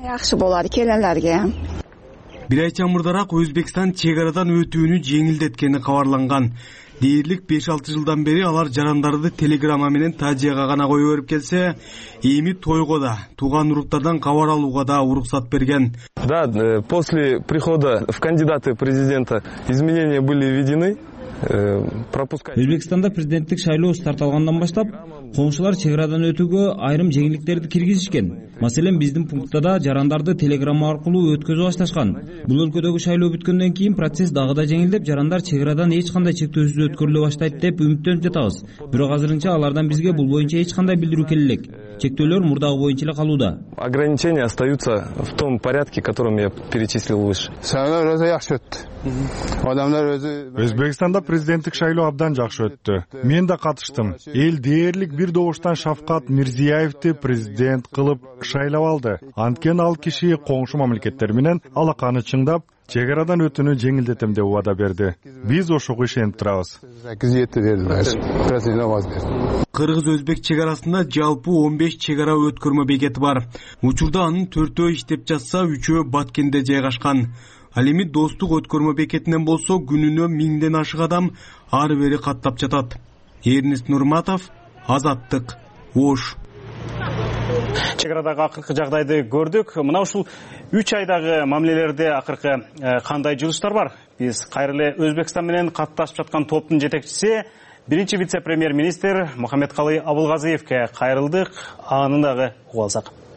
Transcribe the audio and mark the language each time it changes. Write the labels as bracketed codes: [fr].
[ky] Жакшы болот келелерге. Бир айча мурдараак Өзбекстан чек арадан өтүүнү жеңилдеткени кабарланган. Дээрлик 5-6 жылдан бери алар жарандарды телеграмма менен тажияга гана кое берип келсе, эми тойго да, тууган уруктардан кабар алууга да уруксат берген. [ru] Да, после прихода в кандидаты президента изменения были введены. [ky] Өзбекстанда президенттик шайлоо старт алгандан баштап, коңшулар чек арадан өтүүгө айрым жеңилдиктерди киргизишкен. Маселен, биздин пунктта да жарандарды телеграмма аркылуу өткөзө башташкан. Бул өлкөдөгү шайлоо бүткөндөн кийин процесс дагы да жеңилдеп, жарандар чек арадан эч кандай чектөөсүз өткөрүлө баштайт деп үмүттөнүп жатабыз. Бирок азырынча алардан бизге бул боюнча эч кандай билдирүү келе элек. Чектөөлөр мурдагы боюнча эле калууда. [ru] Ограничения остаются в том порядке, которым я перечислил выше. [ky] Шайлоо өзү жакшы өттү. Адамдар өзү Өзбекстанда президенттик шайлоо абдан жакшы өттү. Мен да катыштым. Эл дээрлик бир добуштан Шавкат Мирзиёевди президент кылып шайлап алды. Анткени ал киши коңшу мамлекеттер менен алаканы чыңдап, чегарадан өтүүнү жеңилдетем деп убада берди. Биз ошого ишенип турабыз. Кыргыз өзбек чегарасында жалпы 15 чегара өткөрмө бекети бар. Учурда анын 4-ө иштеп жатса, 3-ө Баткенде жайгашкан. Ал эми достук өткөрмө бекетинен болсо күнүнө 1000ден ашык адам ар бери каттап жатат. Эрнис Нурматов, Азаттык, Ош. Чегарадагы акыркы жагдайды көрдүк. Мына ушул 3 айдагы мамилелерде акыркы кандай жылыштар бар? Биз кайра эле Өзбекстан менен катташып жаткан топтун жетекчиси, биринчи вице-премьер-министр Мухаммедкалый Абылгазыевке кайрылдык. Анын дагы угуп алсак.